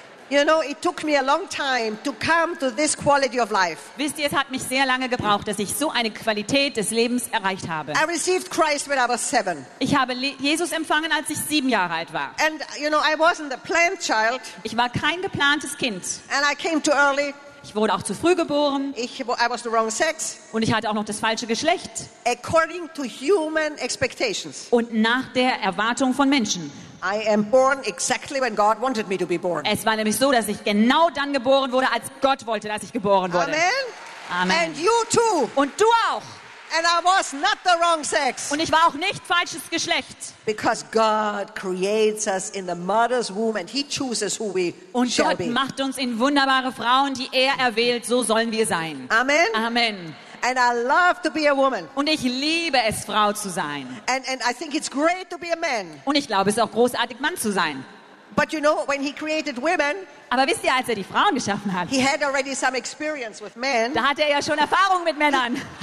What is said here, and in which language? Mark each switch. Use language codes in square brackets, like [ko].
[en] You know, it took me a long time to come to this quality of life. [de] Wisst ihr, es hat mich sehr lange gebraucht, dass ich so eine Qualität des Lebens erreicht habe. [en] I received Christ when I was 7. [de] Ich habe Jesus empfangen, als ich 7 Jahre alt war. [en] And you know, I wasn't a planned child. [de] Ich war kein geplantes Kind. [en] And I came too early. [de] Ich wurde auch zu früh geboren. [en] I was the wrong sex. [de] Und ich hatte auch noch das falsche Geschlecht. [en] According to human expectations. [de] Und nach der Erwartung von Menschen. [en] I am born exactly when God wanted me to be born. [de] Es war nämlich so, dass ich genau dann geboren wurde, als Gott wollte, dass ich geboren wurde. [en] Amen. [de] Amen. [en] And you too. [de] Und du auch. [en] And I was not the wrong sex. [de] Und ich war auch nicht falsches Geschlecht. [en] Because God creates us in the mother's womb and he chooses who we [de] und [en] shall [de] Gott [en] be. [de] Gott macht uns in wunderbare Frauen, die er erwählt, so sollen wir sein. [en] Amen. [de] Amen. [en] And I love to be a woman. [de] Und ich liebe es, Frau zu sein. [en] And I think it's great to be a man. [de] Und ich glaube, es ist auch großartig, Mann zu sein. [en] But you know, when he created women, [de] aber wisst ihr, als er die Frauen geschaffen hat, [en] he had already some experience with men. [de] Da hatte er ja schon Erfahrung mit Männern.